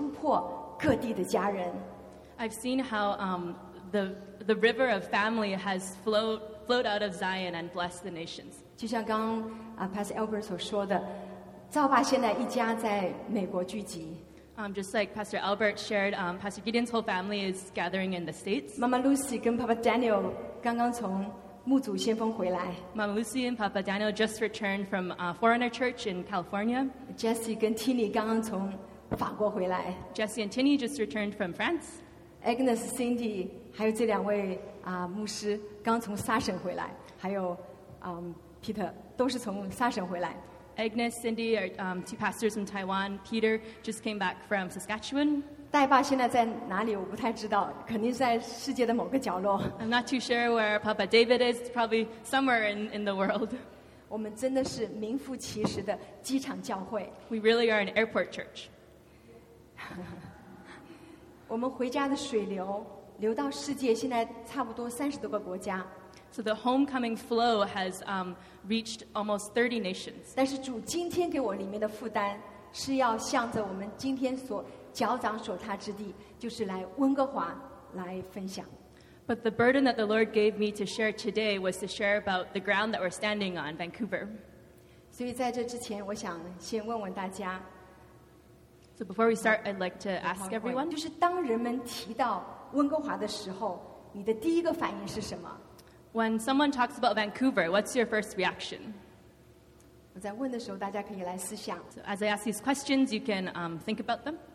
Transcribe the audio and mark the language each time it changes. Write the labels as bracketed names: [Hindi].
[Chinese] 然后看到神借着温哥华流出这个家的水流，如何突破各地的家人。 [English] I've seen how the river of family has flowed out of Zion and blessed the nations. [Chinese] 就像刚刚 Pastor Albert 所说的，赵爸现在一家在美国聚集。 [English] Just like Pastor Albert shared, Pastor Gideon's whole family is gathering in the States. [Chinese] Mama Lucy and Papa Daniel 刚刚从牧主先锋回来。 [English] Mama Lucy and Papa Daniel just returned from a foreigner church in California. [Chinese] Jesse and Tini 刚刚从法国回来。 [English] Jesse and Tini just returned from France. [Chinese] Agnes, Cindy, 还有这两位 牧师刚从萨省回来。还有 Peter 都是从萨省回来。 [English] Agnes, Cindy, two pastors from Taiwan, Peter just came back from Saskatchewan. [Chinese] 戴爸现在在哪里我不太知道, 肯定在世界的某个角落。 [English] I'm not too sure where Papa David is, probably somewhere in the world. [Chinese] 我们真的是名副其实的机场教会。 [English] We really are an airport church. [Chinese] 我们回家的水流流到世界现在差不多30多个国家。 [English] So the homecoming flow has reached almost 30 nations. [Chinese] 但是主今天给我里面的负担是要向着我们今天所脚掌所踏之地，就是来温哥华来分享。 [English] But the burden that the Lord gave me to share today was to share about the ground that we're standing on, Vancouver. [Chinese] 所以在这之前，我想先问问大家。 [English] So before we start, I'd like to ask everyone. [Chinese] 就是当人们提到温哥华的时候，你的第一个反应是什么？ [English] When someone talks about Vancouver, what's your first reaction? [Chinese] 我在问的时候，大家可以来思想。So [English] as I ask these questions, you can think about them.